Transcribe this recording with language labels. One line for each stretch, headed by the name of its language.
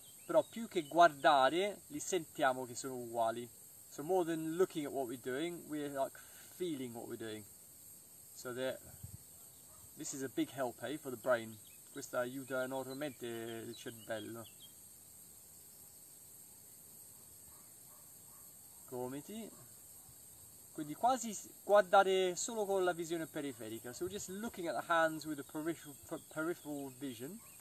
Italian: Però più che guardare, li sentiamo che sono uguali.
English: So more than looking at what we're doing, we're like feeling what we're doing. So that this is a big help, hey, for the brain.
Italian: Questo aiuta enormemente il cervello. Gomiti, quindi quasi guardare solo con la visione periferica.
English: So we're just looking at the hands with a peripheral vision.